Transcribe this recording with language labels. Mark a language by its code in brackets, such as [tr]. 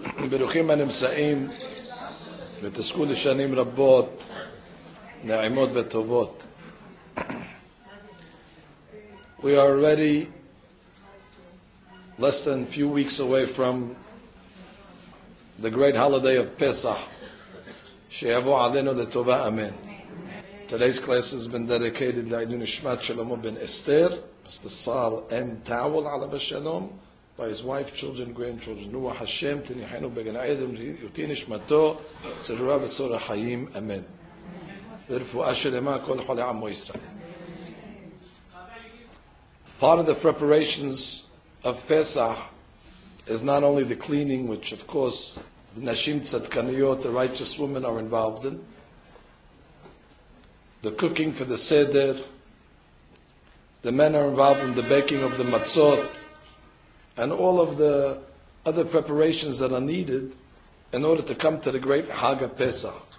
[he] ברוכים הנמצאים ותזכו לשנים רבות נעימות וטובות. [en] We are already less than a few weeks away from the great holiday of Pesach. [he] שיבוא עלינו לטובה, אמן. [en] Today's class has been dedicated [he] לעילוי נשמת [en] שלמה בן אסתר, Mr. Saul M. Towel, [he] עליו השלום, [en] by his wife, children, grandchildren. [he] רוח השם תניחנו בגן עדן, יותי נשמתו, צרורה וצור החיים, אמן. ורפואה שלמה כל חולי עמו ישראל. [en] Part of the preparations of Pesach is not only the cleaning, which of course the Nashim Tzadkaniyot, the righteous women, are involved in, the cooking for the Seder, the men are involved in the baking of the Matzot, and all of the other preparations that are needed in order to come to the great Hag of Pesach.